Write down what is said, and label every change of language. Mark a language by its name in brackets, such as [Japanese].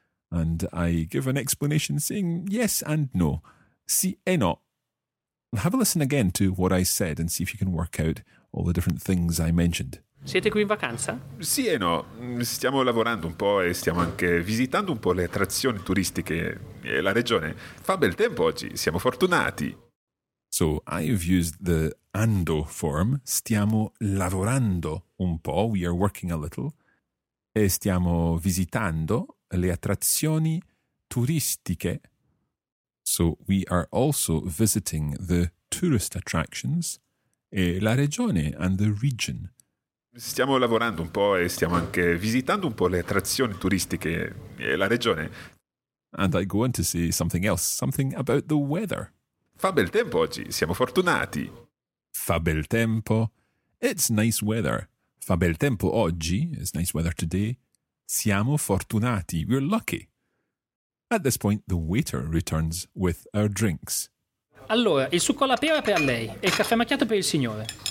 [English] And I give an explanation saying yes and no. [Italian] Sì e no. [English] Have a listen again to what I said and see if you can work out all the different things I mentioned. [Italian] Siete qui in vacanza? Sì e no. Stiamo lavorando un po' e stiamo anche visitando un po' le attrazioni turistiche e la regione. Fa bel tempo oggi, siamo fortunati. [English] So I've used the ando form. [Italian] Stiamo lavorando un po', [English] we are working a little. [Italian] E stiamo visitando le attrazioni turistiche. [English] So we are also visiting the tourist attractions [Italian] e la regione [English] and the region. [Italian] Stiamo lavorando un po' e stiamo anche visitando un po' le attrazioni turistiche e la regione. [English] And I go on to say something else, something about the weather. [Italian] Fa bel tempo oggi, siamo fortunati. Fa bel tempo. [English] It's nice weather. [Italian] Fa bel tempo oggi. [English] It's nice weather today. [Italian] Siamo fortunati. [English] We're lucky. At this point, the waiter returns with our drinks. [Italian] Allora, il succo alla pera per lei e il caffè macchiato per il signore.